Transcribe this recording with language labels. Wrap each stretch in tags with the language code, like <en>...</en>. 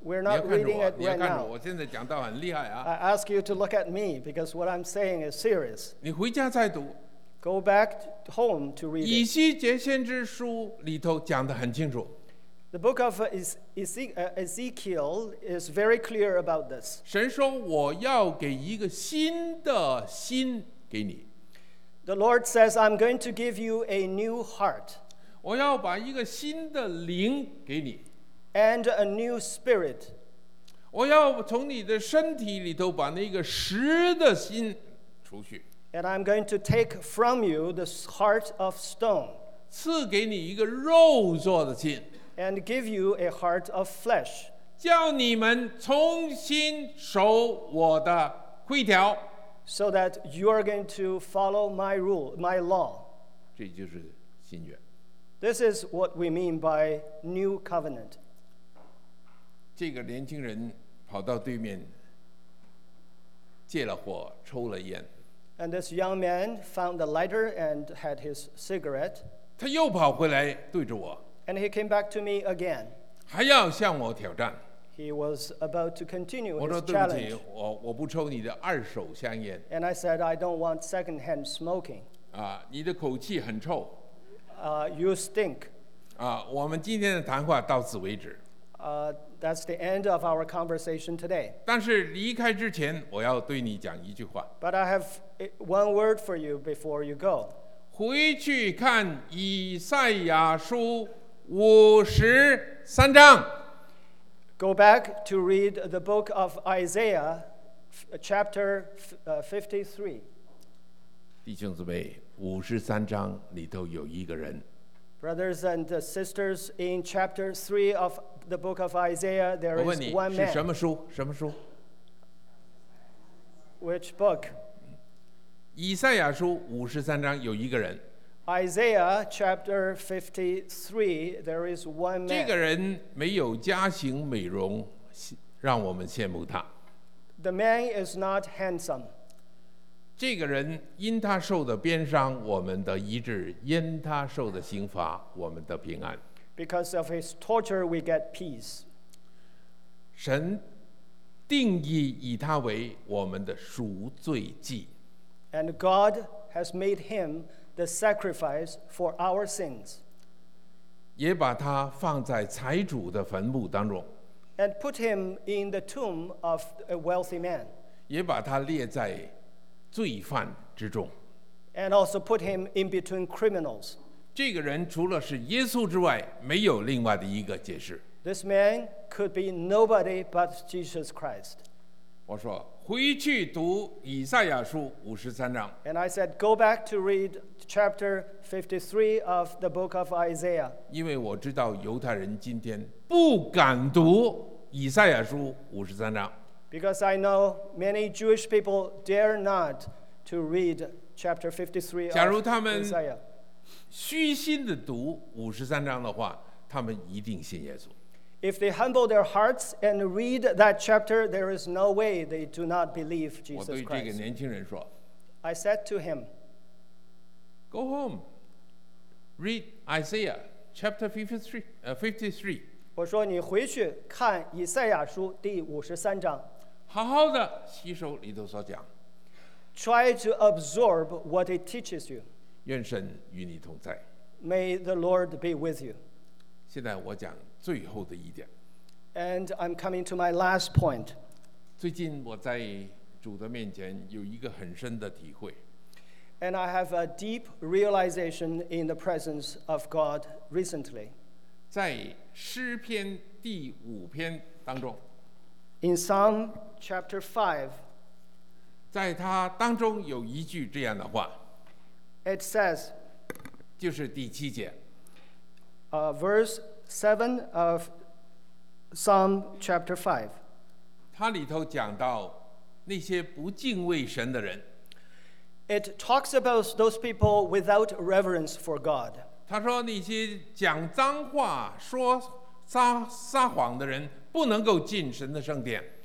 <en>We're not reading it right now.</en> <zh>我现在讲到很厉害啊。</zh> <en>I ask you to look at me because what I'm saying is serious.</en> <zh>你回家再读。</zh> <en>Go back home to read.</en> <zh>以西结先知书里头讲得很清楚。</zh> <en>The book of Ezekiel is very clear about this.</en> <zh>神说我要给一个新的心给你。</zh> <en>The Lord says I'm going to give you a new heart.</en> <zh>我要把一个新的灵给你</zh> <en>and a new spirit</en> <zh>我要从你的身体里头把那个石的心除去</zh> <en>and I'm going to take from you the heart of stone</en> <zh>赐给你一个肉做的心</zh> <en>and give you a heart of flesh</en> <zh>叫你们重新守我的规条</zh> <en>so that you are going to follow my rule, my law</en> <zh>这就是新约</zh> <en>This is what we mean by new covenant.</en> <zh>这个年轻人跑到对面借了火抽了烟。</zh> <en>And this young man found the lighter and had his cigarette.</en> <zh>他又跑回来对着我。</zh> <en>And he came back to me again.</en> <zh>还要向我挑战。</zh> <en>He was about to continue his challenge.</en> <zh>我说对不起，我不抽你的二手香烟。</zh> <en>And I said, I don't want second-hand smoking.</en> <zh>啊，你的口气很臭。</zh> <en>You stink.</en> <zh>啊，我们今天的谈话到此为止。</zh> <en>That's the end of our conversation today.</en> <zh>但是离开之前，我要对你讲一句话。</zh> <en>But I have one word for you before you go.</en> <zh>回去看以赛亚书五十三章。</zh> <en>Go back to read the book of Isaiah, chapter 53.</en> <zh>弟兄姊妹。五十三章里头有一个人。</zh> <en>Brothers and sisters, in chapter 3 of the book of Isaiah, there is one man.</en> <zh>我问你，是什么书？什么书</zh> <en>？Which book?</en> <zh>以赛亚书五十三章有一个人。</zh> <en>Isaiah chapter 53, there is one man.</en> <zh>这个人没有家型美容，让我们羡慕他。</zh> <en>The man is not handsome.</en> <zh>这个人因他受的鞭伤我们的医治因他受的刑罚我们的平安</zh> <en>Because of his torture we get peace</en> <zh>神定义以他为我们的赎罪祭</zh> <en>And God has made him the sacrifice for our sins</en> <zh>也把他放在财主的坟墓当中</zh> <en>And put him in the tomb of a wealthy man</en> <zh>也把他列在罪犯之中</zh> <en>and also put him in between criminals.</en> <zh>这个人除了是耶稣之外，没有另外的一个解释。</zh> <en>This man could be nobody but Jesus Christ.</en> <zh>我说回去读以赛亚书五十三章。</zh> <en>And I said, go back to read chapter 53 of the book of Isaiah.</en> <zh>因为我知道犹太人今天不敢读以赛亚书五十三章。</zh> <en>Because I know many Jewish people dare not to read chapter 53 of Isaiah.</en> <zh>假如他们虚心地读五十三章的话，他们一定信耶稣。</zh> <en>If they humble their hearts and read that chapter, there is no way they do not believe Jesus Christ.</en> <zh>我对这个年轻人说</zh> <en>，I said to him, "Go home, read Isaiah chapter 53."</en> <zh>我说你回去看以赛亚书第五十三章，好好的吸收里头所讲。</zh> <en>Try to absorb what it teaches you.</en> <zh>愿神与你同在。</zh> <en>May the Lord be with you.</en> <zh>现在我讲最后的一点。</zh> <en>And I'm coming to my last point.</en> <zh>最近我在主的面前有一个很深的体会。</zh> <en>And I have a deep realization in the presence of God recently.</en> <zh>在诗篇第五篇当中。</zh> <en>In Psalm chapter 5.</en> <zh>在它当中有一句这样的话。</zh> <en>It says.</en> <zh>就是第七节。</zh> <en>Verse 7 of Psalm chapter 5.</en> <zh>它里头讲到那些不敬畏神的人。</zh> <en>It talks about those people without reverence for God.</en> <zh>他说那些讲脏话、说撒谎的人不能够进神的圣殿。</zh>